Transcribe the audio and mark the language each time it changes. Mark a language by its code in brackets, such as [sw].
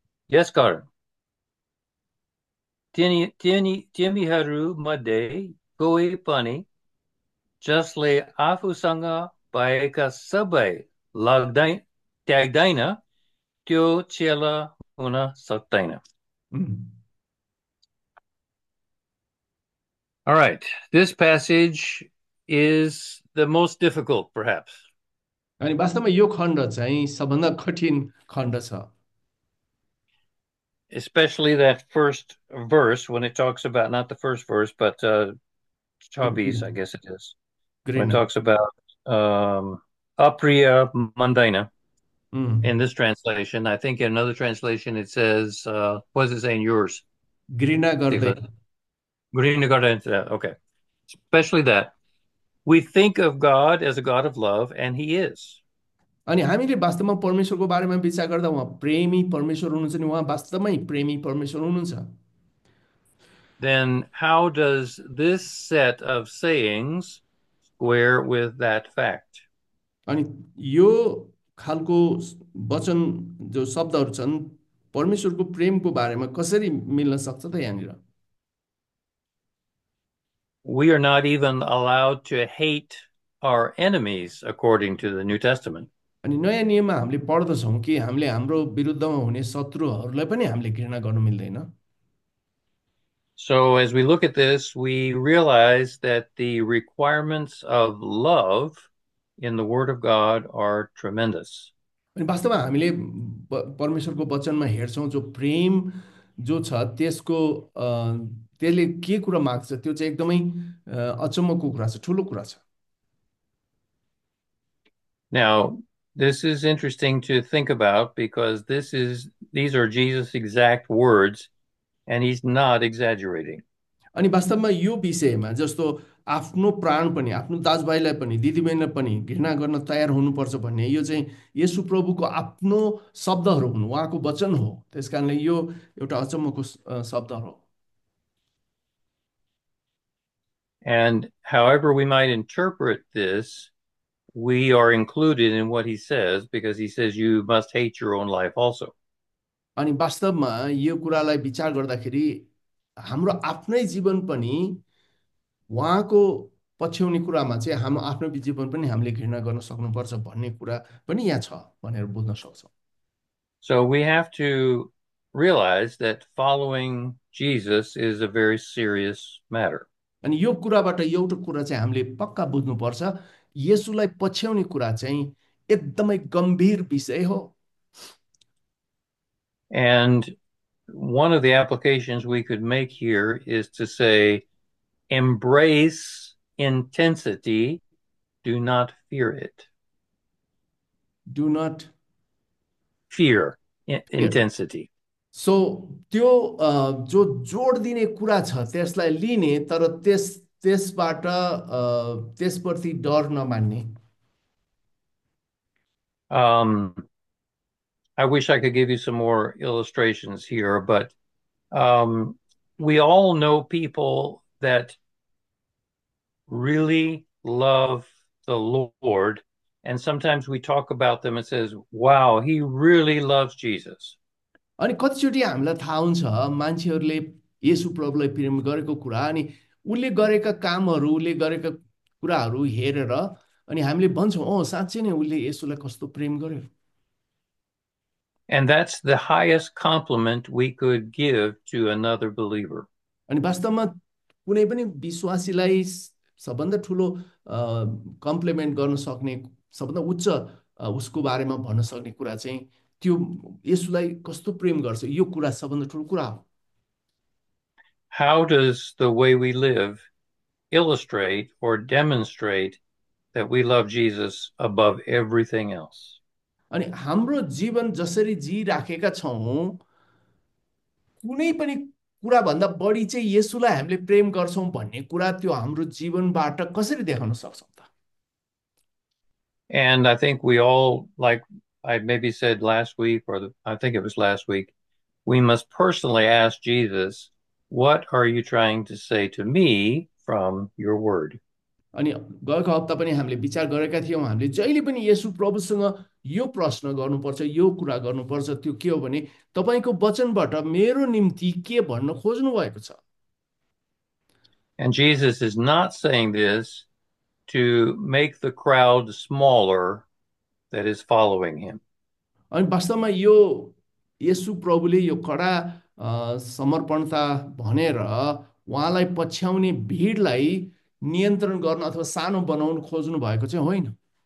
[ne] यसकारण तिमीहरू मध्ये कोही पनि जसले आफूसँग भएका सबै लाग्दै त्याग्दैन त्यो चेला हुन सक्दैन। [en] All right, this passage is the most difficult, perhaps. [ne] अनि वास्तवमा यो खण्ड चाहिँ सबभन्दा कठिन खण्ड छ। [en] Especially that first verse when it talks about, not the first verse, but 24, I guess it is, when it talks about [ne] apriya mandaina. [en] In this translation, I think in another translation it says, what does it say in yours? [ne] Grina garden. Grina garden, [en] okay. Especially that. We think of God as a God of love, and He is. [ne] अनि हामीले वास्तवमा परमेश्वरको बारेमा विचार गर्दा उहाँ प्रेमी परमेश्वर हुनुहुन्छ नि, उहाँ वास्तवमै प्रेमी परमेश्वर हुनुहुन्छ। [en] Then how does this set of sayings square with that fact? [ne] अनि यो खालको वचन जो शब्दहरू छन् परमेश्वरको प्रेमको बारेमा कसरी मिल्न सक्छ त यहाँनिर? [en] We are not even allowed to hate our enemies according to the New Testament. [ne] अनि नयाँ नियममा हामीले पढ्दछौँ कि हामीले हाम्रो विरुद्धमा हुने शत्रुहरूलाई पनि हामीले घृणा गर्न मिल्दैन। [en] So as we look at this, we realize that the requirements of love in the Word of God are tremendous. [ne] अनि वास्तवमा हामीले परमेश्वरको वचनमा हेर्छौँ जो प्रेम जो छ त्यसको त्यसले के कुरा माग्छ, त्यो चाहिँ एकदमै अचम्मको कुरा छ, ठुलो कुरा छ। [en] Now, this is interesting to think about because these are Jesus' exact words, and he's not exaggerating. [ne] अनि वास्तवमा यो विषयमा जस्तो आफ्नो प्राण पनि आफ्नो दाजुभाइलाई पनि दिदीबहिनीलाई पनि घृणा गर्न तयार हुनुपर्छ भन्ने, यो चाहिँ येशु प्रभुको आफ्नो शब्दहरू हुन्, उहाँको वचन हो, त्यस कारणले यो एउटा अचम्मको शब्दहरू हो। [en] And however we might interpret this, we are included in what he says because he says you must hate your own life also. [ne] अनि वास्तवमा यो कुरालाई विचार गर्दाखेरि हाम्रो आफ्नै जीवन पनि उहाँको पछ्याउने कुरामा चाहिँ हाम्रो आफ्नो जीवन पनि हामीले घृणा गर्न सक्नुपर्छ भन्ने कुरा पनि यहाँ छ भनेर बुझ्न सक्छौँ। [en] So we have to realize that following Jesus is a very serious matter. [ne] अनि यो कुराबाट एउटा कुरा चाहिँ हामीले पक्का बुझ्नुपर्छ, येशूलाई पछ्याउने कुरा चाहिँ एकदमै गम्भीर विषय हो। [en] And one of the applications we could make here is to say, embrace intensity, do not fear it. Do not fear fear. intensity. [ne] So, त्यो जो जोड दिने कुरा छ त्यसलाई लिने, तर त्यस त्यसबाट त्यसप्रति डर नमान्ने। [en] I wish I could give you some more illustrations here, but we all know people that really love the Lord, and sometimes we talk about them and says, wow, he really loves Jesus. [ne] अनि कतिचोटि हामीलाई थाहा हुन्छ मान्छेहरूले येशु प्रभुलाई प्रेम गरेको कुरा, अनि उसले गरेका कामहरू उसले गरेका कुराहरू हेरेर अनि हामीले भन्छौँ ओ साँच्चै नै उसले येशुलाई कस्तो प्रेम गर्यो। [en] And that's the highest compliment we could give to another believer. [ne] अनि वास्तवमा कुनै पनि विश्वासीलाई सबभन्दा ठुलो कम्प्लिमेन्ट गर्न सक्ने, सबभन्दा उच्च उसको बारेमा भन्न सक्ने कुरा चाहिँ त्यो येशूलाई कस्तो प्रेम गर्छ, यो कुरा सबभन्दा ठुलो कुरा हो। [en] How does the way we live illustrate or demonstrate that we love Jesus above everything else. [ne] अनि हाम्रो जीवन जसरी जिइराखेका छौँ कुनै पनि कुराभन्दा बढी चाहिँ येसुलाई हामीले प्रेम गर्छौँ भन्ने कुरा त्यो हाम्रो जीवनबाट कसरी देखाउन सक्छौँ त? [en] And I think we all, like I maybe said last week, or I think it was last week, we must personally ask Jesus, what are you trying to say to me from your word? [ne] अनि गएको हप्ता पनि हामीले विचार गरेका थियौँ, हामीले जहिले पनि येसु प्रभुसँग यो प्रश्न गर्नुपर्छ, यो कुरा गर्नुपर्छ, त्यो के हो भने तपाईँको वचनबाट मेरो निम्ति के भन्न खोज्नु भएको छ? [en] And Jesus is not saying this to make the crowd smaller that is following him. [ne] अनि वास्तवमा यो येसु प्रभुले यो कडा समर्पणता भनेर उहाँलाई पछ्याउने भिडलाई नियन्त्रण गर्न अथवा सानो बनाउन खोज्नु भएको चाहिँ होइन।